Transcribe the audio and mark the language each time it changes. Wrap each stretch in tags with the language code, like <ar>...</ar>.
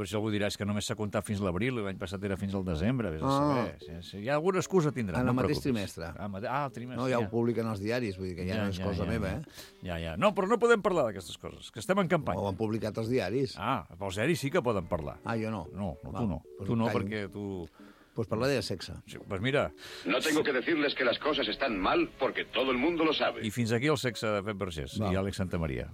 <ca>Home, si algú dirà, és que només s'ha comptat fins l'abril, i l'any passat era fins al desembre, vés a saber. Si hi ha alguna excusa, tindrà, no em preocupis. En el mateix trimestre. Ah, el trimestre. No, ja ho publiquen els diaris, vull dir que ja no és cosa meva, eh? Ja. No, però no podem parlar d'aquestes coses, que estem en campanya. Ho han publicat els diaris. Ah, pels diaris sí que poden parlar. Ah, jo no. No, tu no. Tu no, perquè tu... Pues parlar de sexe. Sí, pues mira...</ca> <es>No tengo que decirles que las cosas están mal porque todo el mundo lo sabe.</es> <ca>I fins aquí el sexe de Pep Vergés i Àlex Santamaría.</ca>